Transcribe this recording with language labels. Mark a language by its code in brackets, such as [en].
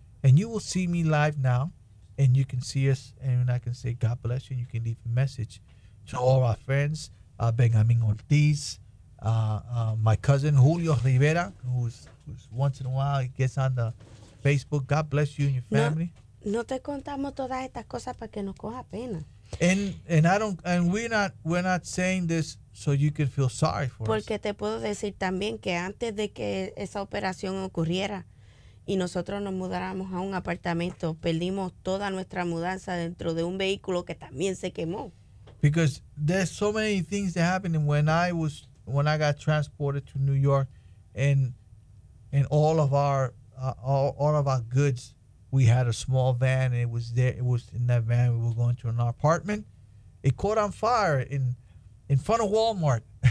[en] And you will see me live now, and you can see us, and I can say God bless you, and you can leave a message to all our friends, Benjamin Ortiz, my cousin Julio Rivera, who's once in a while, he gets on the Facebook. God bless you and your family. [es] No, no te contamos todas estas cosas para que nos coja pena. [en] And we're not saying this so you can feel sorry for [es] porque [en] us. [es] Porque te puedo decir también que antes de que esa operación ocurriera, y nosotros nos mudáramos a un apartamento, perdimos toda nuestra mudanza dentro de un vehículo que también se quemó. [en] Because there's so many things that happened, and when I got transported to New York, and all of our goods, we had a small van, and it was there, it was in that van, we were going to an apartment, it caught on fire in front of Walmart.